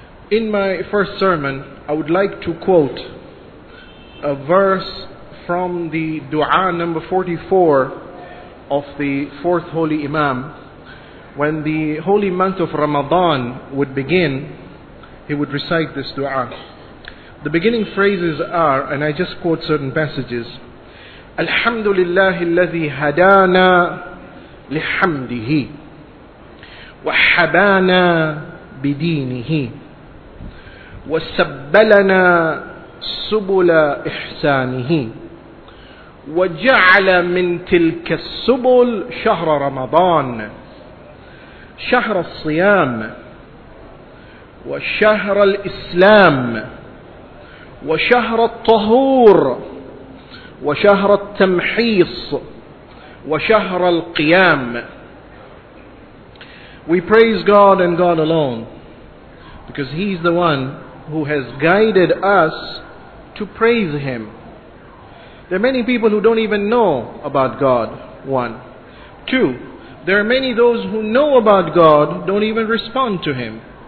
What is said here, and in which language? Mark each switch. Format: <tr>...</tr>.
<en>In my first sermon, I would like to quote a verse from the dua number 44 of the fourth holy imam. When the holy month of Ramadan would begin, he would recite this dua. The beginning phrases are, and I just quote certain passages:</en> <ar>Alhamdulillahilladhi hadana lihamdihi wa habana bidinihi وسبلنا سبل إحسانه وجعل من تلك السبل شهر رمضان شهر الصيام وشهر الإسلام وشهر الطهور وشهر التمحيص وشهر القيام.</ar> <en>We praise God and God alone, because He is the one who has guided us to praise him. There are many people who don't even know about God, one. Two, there are many those who know about God, don't even respond to him.</en>